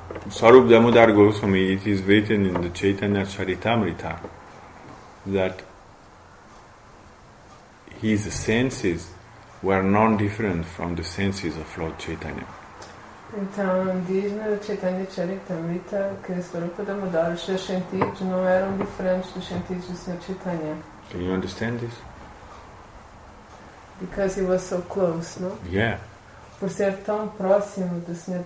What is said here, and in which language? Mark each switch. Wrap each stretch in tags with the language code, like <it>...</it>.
<en>Sarup Damodar Goswami, it is written in the Chaitanya Charitamrita that his senses were non-different from the senses of Lord Chaitanya.</en> <pt>Então, diz no Chaitanya Charitamrita que Sarup Damodar, os seus sentidos não eram diferentes dos sentidos do Sr. Chaitanya.</pt> <en>Can you understand this? Because he was so close, no? Yeah.</en> <pt>Por ser tão próximo do Sr.</pt>